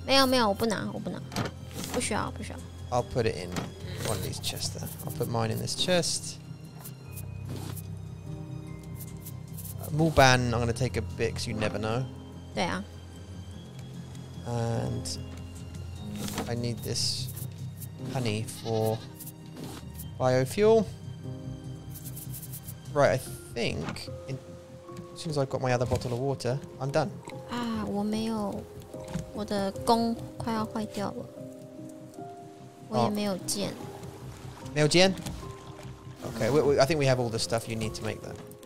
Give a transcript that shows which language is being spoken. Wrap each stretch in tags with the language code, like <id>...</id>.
<zh>没有,没有,我不拿,我不拿,不需要,不需要.</zh> <en>I'll put it in one of these chests there. I'll put mine in this chest. Mulban, I'm going to take a bit because you never know.</en> <zh>对啊.</zh> <en>And I need this honey for biofuel. Right, I think as soon as I've got my other bottle of water, I'm done.</en> <zh>Ah, 我没有,我的弓快要坏掉了。没有剑?</zh> <en>Okay, I think we have all the stuff you need to make that.</en>